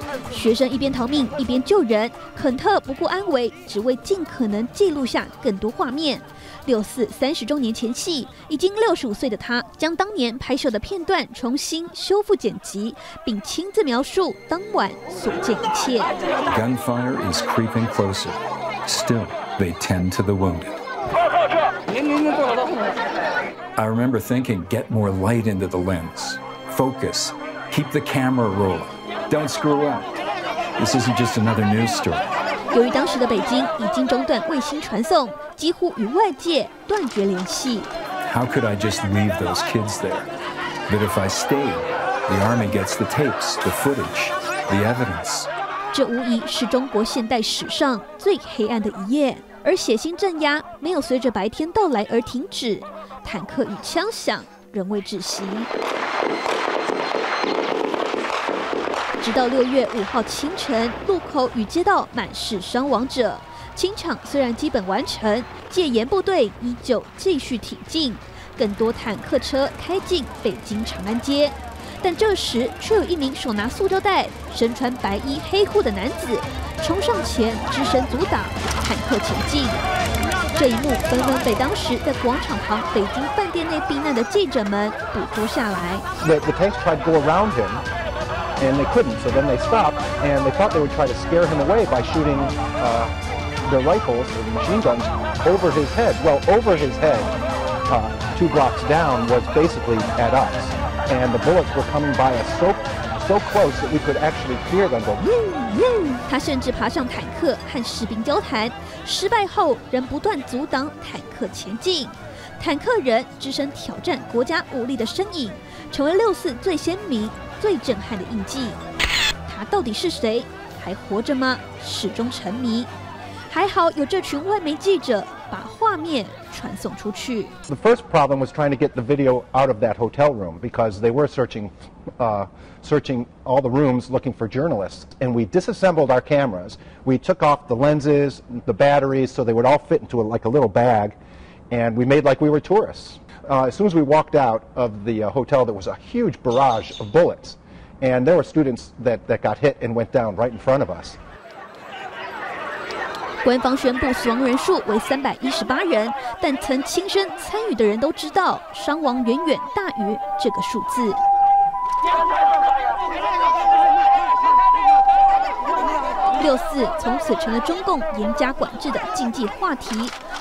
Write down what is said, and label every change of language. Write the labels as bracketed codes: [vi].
[zh] 学生一边逃命一边救人，肯特不顾安危，只为尽可能记录下更多画面。六四三十周年前夕，已经65岁的他将当年拍摄的片段重新修复剪辑，并亲自描述当晚所见一切。 [en] Gunfire is creeping closer. Still, they tend to the wounded. [zh] 报告这，您坐好，坐好。 [en] I remember thinking, get more light into the lens. Focus. Keep the camera rolling. Don't screw up. This isn't just another news story. [zh] 由于当时的北京已经中断卫星传送，几乎与外界断绝联系。 [en] How could I just leave those kids there? But if I stayed, the army gets the tapes, the footage, the evidence. [zh] 这无疑是中国现代史上最黑暗的一夜，而血腥镇压没有随着白天到来而停止，坦克与枪响仍未止息。直到六月五号清晨，路口与街道满是伤亡者。清场虽然基本完成，戒严部队依旧继续挺进，更多坦克车开进北京长安街，但这时却有一名手拿塑胶袋、身穿白衣黑裤的男子冲上前，只身阻挡坦克前进。这一幕纷纷被当时在广场旁北京饭店内避难的记者们捕捉下来。 [en] The tanks tried to go around him, and they couldn't. So then they stopped, and they thought they would try to scare him away by shooting. Their rifles or machine guns over his head. Well, over his head, two blocks down was basically at us. And the bullets were coming by us so close that we could actually hear them go, woo, woo. [zh] 他甚至爬上坦克和士兵交谈，失败后仍不断阻挡坦克前进。坦克人只身挑战国家武力的身影，成为六四最鲜明、最震撼的印记。他到底是谁？还活着吗？始终沉迷。还好有这群外媒记者把画面传送出去。 [en] The first problem was trying to get the video out of that hotel room because they were searching all the rooms looking for journalists. And we disassembled our cameras. We took off the lenses, the batteries, so they would all fit into a little bag. And we made like we were tourists. As soon as we walked out of the hotel, there was a huge barrage of bullets. And there were students that got hit and went down right in front of us. [zh] 官方宣布死亡人数为318人，但曾亲身参与的人都知道，伤亡远远大于这个数字。六四从此成了中共严加管制的禁忌话题。